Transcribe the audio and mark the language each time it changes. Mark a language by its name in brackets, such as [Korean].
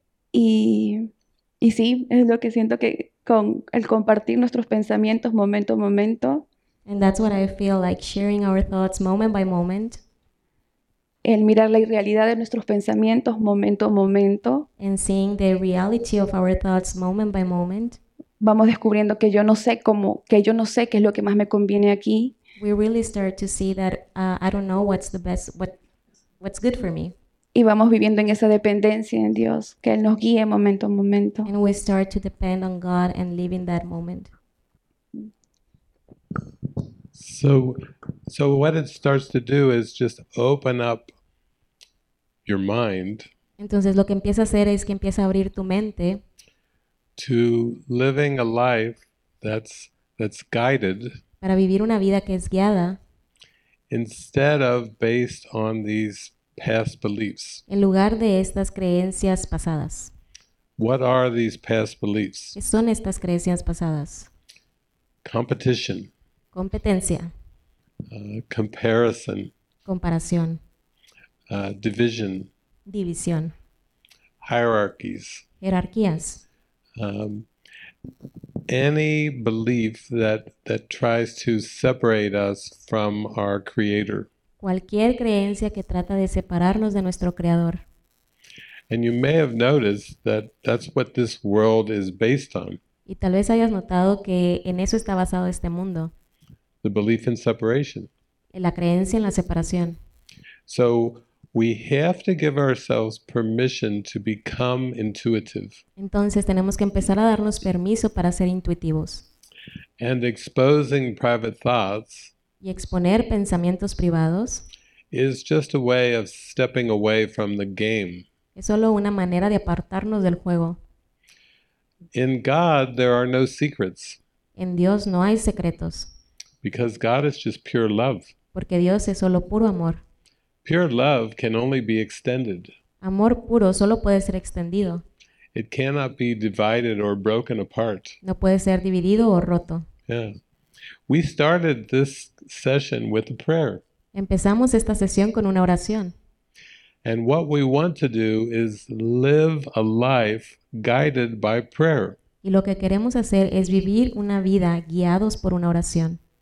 [Spanish] Y sí, es lo que siento que con el compartir nuestros pensamientos momento a momento, [English] And that's what I feel like sharing our thoughts moment by moment. [Spanish] el mirar la irrealidad de nuestros pensamientos momento a momento, [English] And seeing the reality of our thoughts moment by moment. [Spanish] vamos descubriendo que yo no sé cómo, que yo no sé qué es lo que más me conviene aquí. [English] We really start to see that I don't know what's the best, what's good for me. [Spanish] Y vamos viviendo en esa dependencia en Dios, que Él nos guíe momento a momento. [English] And we start to depend on God and live in that moment. So what it starts to do is just open up your mind [Spanish] Entonces lo que empieza a hacer es que empieza a abrir tu mente [English] to living a life that's guided [Spanish] para vivir una vida que es guiada [English] instead of based on these past beliefs. [Spanish] en lugar de estas creencias pasadas. [English] What are these past beliefs? [Spanish] ¿Qué son estas creencias pasadas? [English] Competition. [Spanish] Competencia. [English] Comparison, [Spanish] Comparación. [English] division, [Spanish] División. [English] hierarchies, [Spanish] Jerarquías. [English] any belief that tries to separate us from our creator. [Spanish] Cualquier creencia que trata de separarnos de nuestro creador. [English] And you may have noticed that that's what this world is based on. [Spanish] Y tal vez hayas notado que en eso está basado este mundo. [English] The belief in separation. [Spanish] En la creencia en la separación. [English] So we have to give ourselves permission to become intuitive [Spanish] Entonces tenemos que empezar a darnos permiso para ser intuitivos [English] and exposing private thoughts [Spanish] y exponer pensamientos privados. [English] is just a way of stepping away from the game. [Spanish] Es solo una manera de apartarnos del juego. [English] In God, there are no secrets [Spanish] En Dios no hay secretos. [English] because God is just pure love. [Spanish] Porque Dios es solo puro amor. [English] Pure love can only be extended. [Spanish] Amor puro solo puede ser extendido. [English] It cannot be divided or broken apart. [Spanish] No puede ser dividido o roto. [English] Yeah. We started this session with a prayer. [Spanish] Empezamos esta sesión con una oración. [English] And what we want to do is live a life guided by prayer. [Spanish] Y lo que queremos hacer es vivir una vida guiados por una oración.